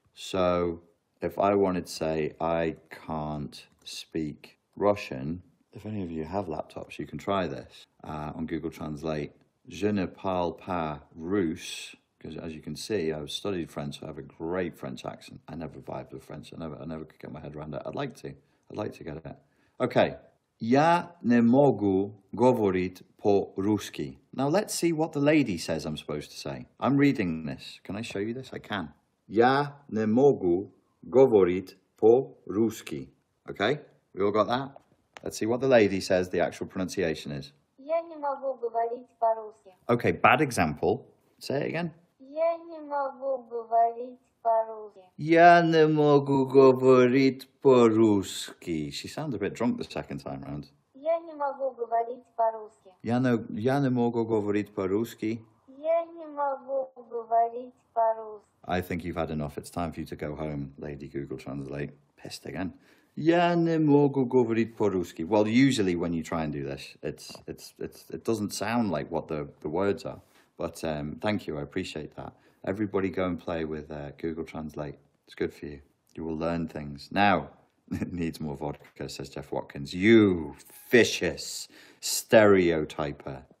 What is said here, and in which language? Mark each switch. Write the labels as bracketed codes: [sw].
[en] So if I wanted to say I can't speak Russian, if any of you have laptops, you can try this on Google Translate. [fr] Je ne parle pas russe, [en] because as you can see, I've studied French, so I have a great French accent. I never vibed with French. I never could get my head around it. I'd like to get it. Okay. [ru] Я не могу говорить по-русски. [en] Now let's see what the lady says I'm supposed to say. I'm reading this. Can I show you this? I can. [ru] Я не могу говорить по-русски. [en] Okay? We all got that? Let's see what the lady says the actual pronunciation is. [ru] Я не могу говорить по-русски. [en] Okay, bad example. Say it again. [ru] Я не могу говорить по-русски. Я не могу говорить по-русски. [en] She sounds a bit drunk the second time round. [ru] Я не могу говорить по-русски. Я не могу говорить по-русски. Я не могу говорить по-русски. [en] I think you've had enough. It's time for you to go home, Lady Google Translate. Pissed again. [ru] Я не могу говорить по-русски. [en] Well, usually when you try and do this, it doesn't sound like what the words are. But thank you, I appreciate that. Everybody go and play with Google Translate. It's good for you. You will learn things. Now, needs more vodka, says Jeff Watkins. You vicious stereotyper.